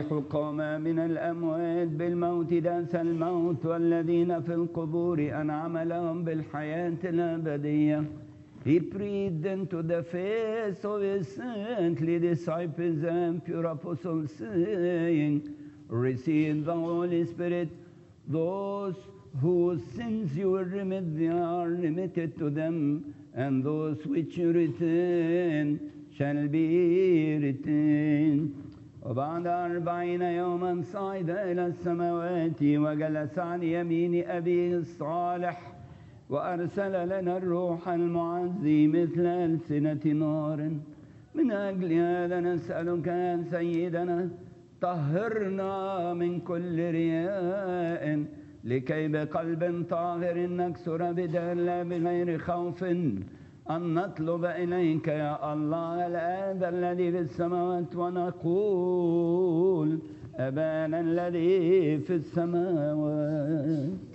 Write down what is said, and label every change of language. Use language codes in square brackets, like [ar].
[ar] قام من الأموات بالموت داس الموت والذين في القبور أنعم لهم بالحياة الأبدية. [en] He breathed into the face of his saintly disciples and pure apostles saying, receive the Holy Spirit. Those whose sins you will remit, they are remitted to them, and those which you retain shall be retained. [ar] وبعد 40 يوما صعد إلى السماوات وجلس عن يمين أبيه الصالح وأرسل لنا الروح المعزي مثل ألسنة نار. من أجل هذا نسألك أن سيدنا طهرنا من كل رياء لكي بقلب طاهر نكسر بدلا بغير خوف أن نطلب إليك يا الله الآب الذي في السماوات ونقول أبانا الذي في السماوات